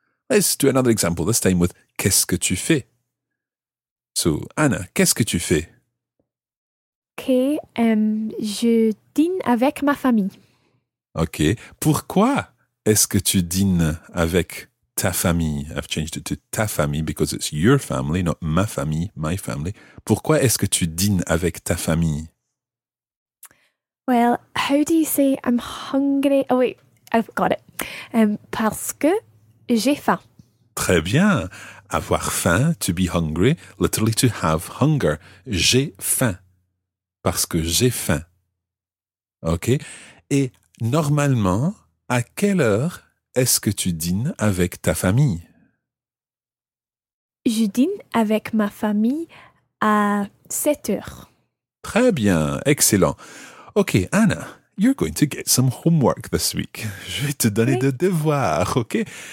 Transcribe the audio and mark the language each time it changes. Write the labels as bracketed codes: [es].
[en] Let's do another example, this time with [fr] qu'est-ce que tu fais? So, Anna, qu'est-ce que tu fais? Je dîne avec ma famille. OK, pourquoi? Est-ce que tu dînes avec ta famille? [en] I've changed it to ta famille because it's your family, not ma famille, my family. [fr] Pourquoi est-ce que tu dînes avec ta famille? [en] Well, how do you say I'm hungry? Oh wait, I've got it. [fr] Parce que j'ai faim. Très bien. Avoir faim, [en] to be hungry, literally to have hunger. [fr] J'ai faim. Parce que j'ai faim. OK? Et normalement, à quelle heure est-ce que tu dînes avec ta famille? Je dîne avec ma famille à 7 heures. Très bien, excellent. OK, [en] Anna, you're going to get some homework this week. [fr] Je vais te donner des devoirs, OK?